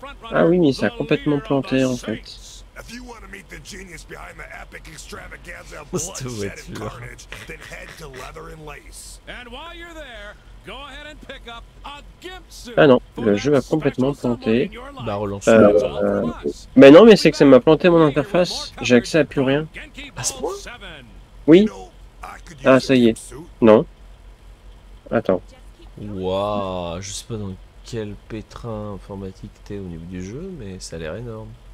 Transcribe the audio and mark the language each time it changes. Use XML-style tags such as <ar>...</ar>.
<fr>Ah oui, mais ça a complètement planté en fait.</fr> <en>If you want to meet the genius behind the epic extravaganza of bloodshed and carnage, then head to Leather and Lace. And while you're there, go ahead and pick up a GIMP suit.</en> <fr>Ah non, le jeu a complètement planté. Bah relance. Mais non, mais c'est que ça m'a planté mon interface. J'ai accès à plus rien. À ce point? Oui. Ah, ça y est. Non. Attends. Waouh, je sais pas dans quel pétrin informatique t'es au niveau du jeu, mais ça a l'air énorme.</fr>